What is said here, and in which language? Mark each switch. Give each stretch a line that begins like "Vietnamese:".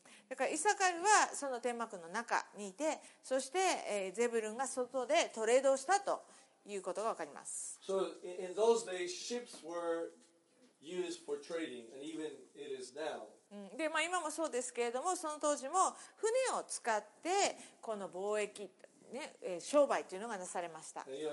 Japanese: だからイサカルはその天幕の中にいて、そしてゼブルンが外でトレードしたということが分かります。
English: So in those days, ships were used for trading, and even it is now.
Japanese: でまあ、今もそうですけれども、その当時も船を使ってこの貿易、ね、商売というのがなされました。